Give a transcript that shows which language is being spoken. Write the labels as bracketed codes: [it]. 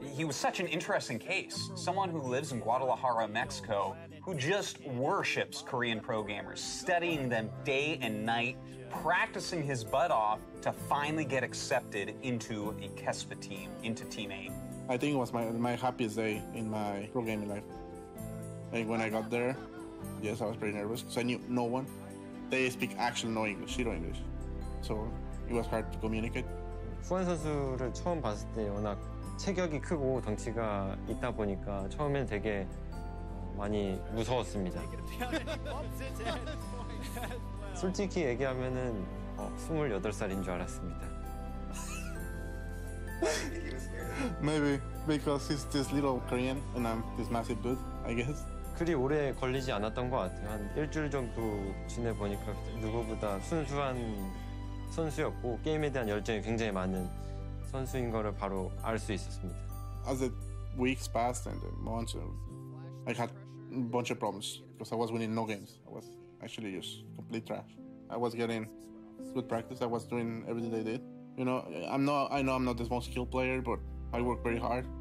[en] He was such an interesting case. Someone who lives in Guadalajara, Mexico, who just worships Korean pro gamers, studying them day and night, practicing his butt off to finally get accepted into a KESPA team, into Team 8. I think it was my happiest day in my pro gaming life. And when I got there, yes, I was pretty nervous because I knew no one. They speak actually no English, zero English. So it was hard to communicate. [ko] 후원 선수를 처음 봤을 때 워낙 체격이 크고 덩치가 있다 보니까 처음엔 되게 많이 무서웠습니다. 솔직히 얘기하면은 28살인 줄 알았습니다. [en] Maybe because he's this little Korean and I'm this massive dude, I guess. [ko] 그리 오래 걸리지 않았던 것 같아요. 한 일주일 정도 지내보니까 누구보다 순수한 선수였고 게임에 대한 열정이 굉장히 많은 선수인 거를 바로 알 수 있었습니다. [en] As the weeks passed and the months, I had a bunch of problems because I was winning no games. I was actually just complete trash. I was getting good practice. I was doing everything they did. You know, I know I'm not the most skilled player, but I work very hard.